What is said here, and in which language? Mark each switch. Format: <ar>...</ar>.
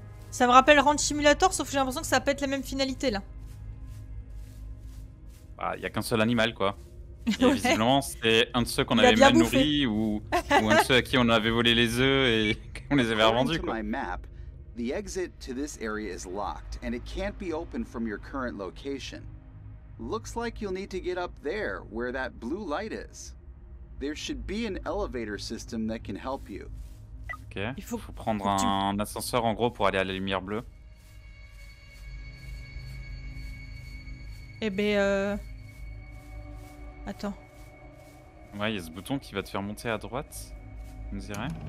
<fr>Ça me rappelle Ranch Simulator, sauf que j'ai l'impression que ça va pas être la même finalité, là. Bah, y a qu'un seul animal, quoi. Et ouais. Visiblement, c'est un de ceux qu'on avait mal nourri, ou un de ceux à qui on avait volé les œufs et qu'on les avait revendus, quoi.</fr> <en>The exit to this area is locked, and it can't be opened from your current location. Looks like you'll need to get up there, where that blue light is. There should be an elevator system that can help you.</en> <fr>Ok, il faut prendre un ascenseur en gros pour aller à la lumière bleue. Eh ben Attends. Ouais, il y a ce bouton qui va te faire monter à droite, on dirait.</fr>